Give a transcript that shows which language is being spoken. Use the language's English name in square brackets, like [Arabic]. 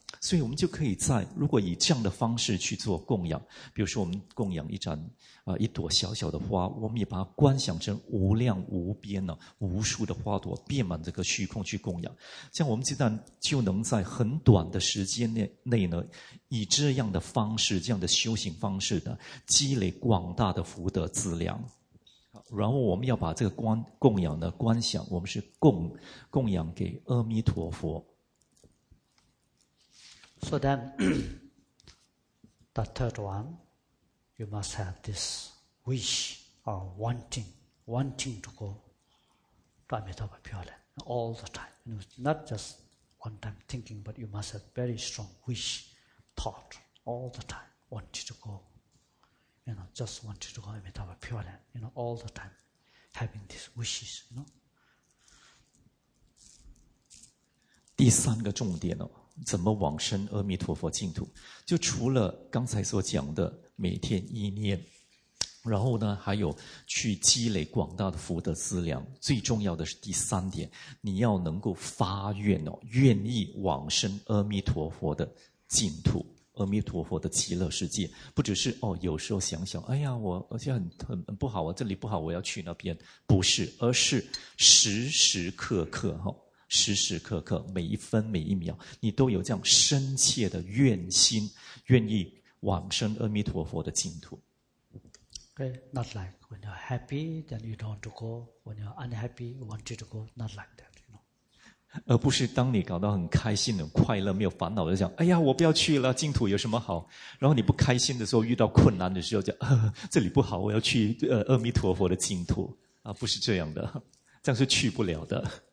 [Chinese] 所以我们就可以在如果以这样的方式去做供养，比如说我们供养一盏一朵小小的花，我们也把它观想成无量无边呢，无数的花朵遍满这个虚空去供养，这样我们就能在很短的时间内呢，以这样的方式，这样的修行方式呢，积累广大的福德资粮。然后我们要把这个供养呢，观想我们是供养给阿弥陀佛。 [English] So then, the third one, you must have this wish or wanting to go to Amitabha Pure Land all the time. You know, not just one time thinking, but you must have very strong wish, thought all the time, wanting to go, you know, just wanting to go to Amitabha Pure Land, you know, all the time having these wishes, you know. [Chinese] 第三个重点哦。怎么往生阿弥陀佛净土，就除了刚才所讲的每天意念，然后呢还有去积累广大的福德资粮，最重要的是第三点，你要能够发愿哦，愿意往生阿弥陀佛的净土，阿弥陀佛的极乐世界，不只是哦，有时候想想哎呀我而且很不好啊，这里不好我要去那边，不是，而是时时刻刻哦，时时刻刻每一分每一秒你都有这样深切的愿心，愿意往生阿弥陀佛的净土。 [English] Okay, not like when you're happy then you don't want to go, when you're unhappy you want to go, not like that, you know. [Chinese] 而不是当你搞到很开心很快乐没有烦恼就想哎呀我不要去了，净土有什么好，然后你不开心的时候遇到困难的时候就这里不好我要去阿弥陀佛的净土啊，不是这样的，这样是去不了的。